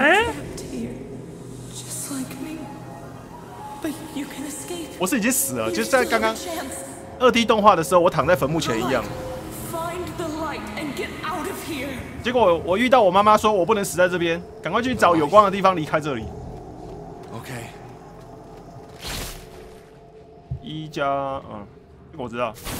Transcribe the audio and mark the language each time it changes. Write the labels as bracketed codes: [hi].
[en] You're trapped here, just like me. But you can escape. [zh] 我是已经死了，就是在刚刚二 D 动画的时候，我躺在坟墓前一样。 [en] Find the light and get out of here. [zh] 结果我遇到我妈妈，说我不能死在这边，赶快去找有光的地方离开这里。 [en] Okay. [zh] 一加这个我知道。